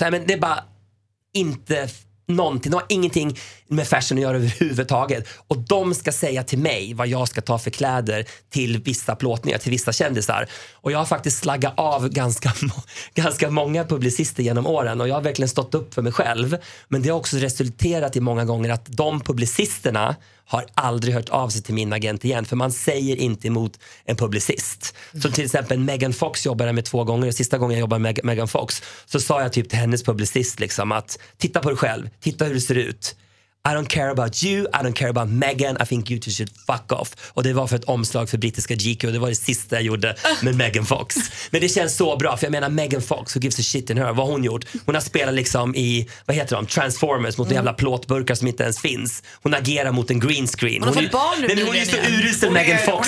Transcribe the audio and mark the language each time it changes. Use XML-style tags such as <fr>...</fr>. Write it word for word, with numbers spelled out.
<sv>Nej, men det är bara inte någonting, de har ingenting med fashion att göra överhuvudtaget, och de ska säga till mig vad jag ska ta för kläder till vissa plåtningar, till vissa kändisar, och jag har faktiskt slaggat av ganska, ganska många publicister genom åren, och jag har verkligen stått upp för mig själv, men det har också resulterat i många gånger att de publicisterna har aldrig hört av sig till min agent igen, för man säger inte emot en publicist. Som till exempel Megan Fox jobbade med två gånger, och sista gången jag jobbade med Megan Fox så sa jag typ till hennes publicist liksom att titta på dig själv, titta hur du ser ut.</sv> <en>I don't care about you, I don't care about Meghan, I think you two should fuck off.</en> <sv>Och det var för ett omslag för brittiska G Q, och det var det sista jag gjorde med Megan Fox. Men det känns så bra, för jag menar Megan Fox,</sv> <en>who gives a shit in her,</en> <sv>vad hon gjort. Hon har spelat liksom i, vad heter de, Transformers mot en jävla plåtburkar som inte ens finns. Hon agerar mot en green screen. Hon, hon, är, barn nu, nej, men hon är så urusel Megan Fox.</sv>